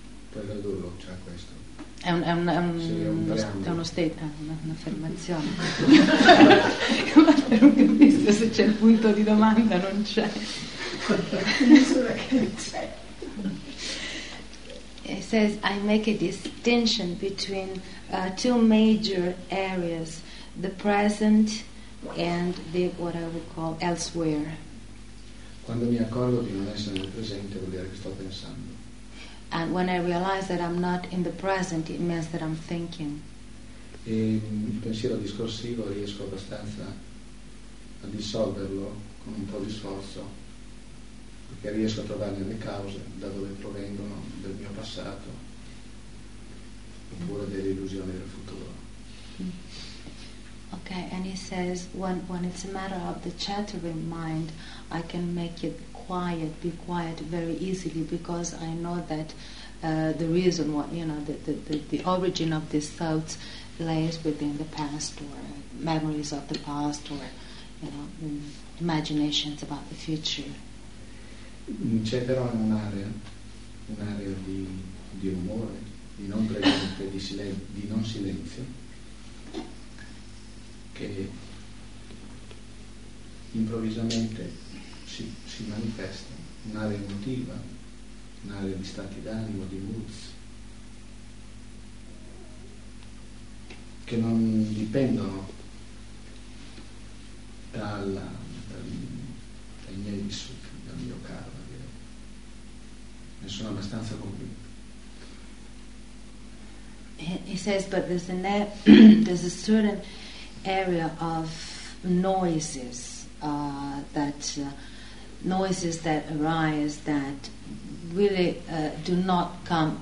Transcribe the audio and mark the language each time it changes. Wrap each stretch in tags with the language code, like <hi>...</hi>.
<it>Quello dove c'è questo? È un'affermazione. Non capisco se c'è il punto di domanda, non c'è. Nessuna che c'è.</it> <en>It says, I make a distinction between two major areas, the present and the what I would call elsewhere.</en> <it>Quando mi accorgo di non essere nel presente, vuol dire che sto pensando.</it> <en>And when I realize that I'm not in the present, it means that I'm thinking.</en> <it>E il pensiero discorsivo riesco abbastanza a dissolverlo con un po' di sforzo, perché riesco a trovare le cause da dove provengono del mio passato oppure delle illusioni del futuro.</it> <en>Ok, and he says when it's a matter of the chattering mind, I can make it quiet, be quiet very easily, because I know that the reason, what you know, the origin of these thoughts lays within the past or memories of the past or you know imaginations about the future.</en> <it>C'è però un'area di rumore, di non presente, di non silenzio, che improvvisamente si manifesta, un'area emotiva, un'area di stati d'animo, di moods, che non dipendono dai miei vissuti, dal mio caro. Sono abbastanza convinto.</it> <en>He says, but there's a certain area of noises that arise that really do not come.</en>